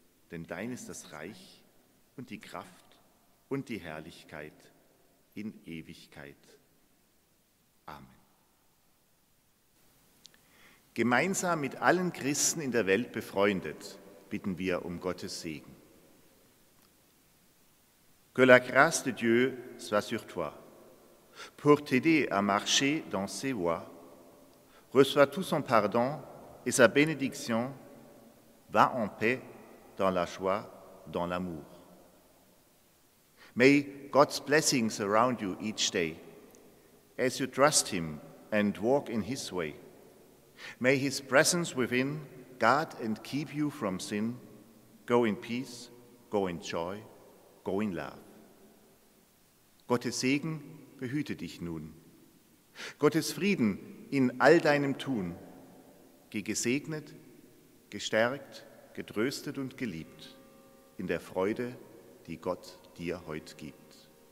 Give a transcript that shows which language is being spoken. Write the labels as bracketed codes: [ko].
[de] Denn dein ist das Reich und die Kraft und die Herrlichkeit in Ewigkeit. Amen. Gemeinsam mit allen Christen in der Welt befreundet, bitten wir um Gottes Segen. [fr] Que la grâce de Dieu soit sur toi, pour t'aider à marcher dans ses voies. Reçois tout son pardon et sa bénédiction. Va en paix, dans la joie, dans l'amour. [en] May God's blessings surround you each day, as you trust him and walk in his way. May his presence within guard and keep you from sin. Go in peace, go in joy, go in love. [de] Gottes Segen behüte dich nun. Gottes Frieden in all deinem Tun, geh gesegnet, gestärkt, getröstet und geliebt in der Freude, die Gott dir heute gibt.